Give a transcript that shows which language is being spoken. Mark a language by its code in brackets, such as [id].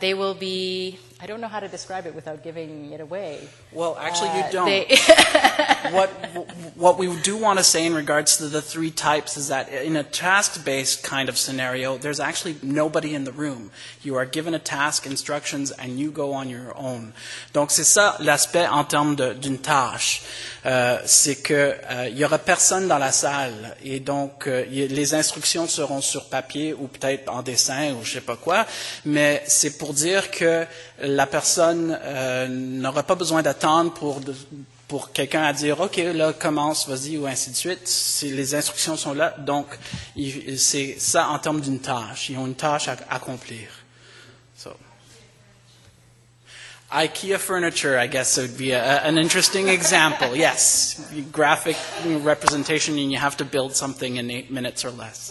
[en] They will be, I don't know how to describe it without giving it away. Well, actually you don't. what we do want to say in regards to the three types is that in a task-based kind of scenario, there's actually nobody in the room. You are given a task, instructions, and you go on your own. [fr] Donc c'est ça l'aspect en termes d'une tâche. C'est que il y aura personne dans la salle et donc les instructions seront sur papier ou peut-être en dessin ou je sais pas quoi, mais c'est pour dire que la personne n'aura pas besoin d'attendre pour quelqu'un à dire OK là commence vas-y ou ainsi de suite, si les instructions sont là, donc c'est ça en termes d'une tâche, ils ont une tâche à accomplir. [en] So. IKEA furniture, I guess it would be an interesting example. Yes, graphic representation, and you have to build something in 8 minutes or less.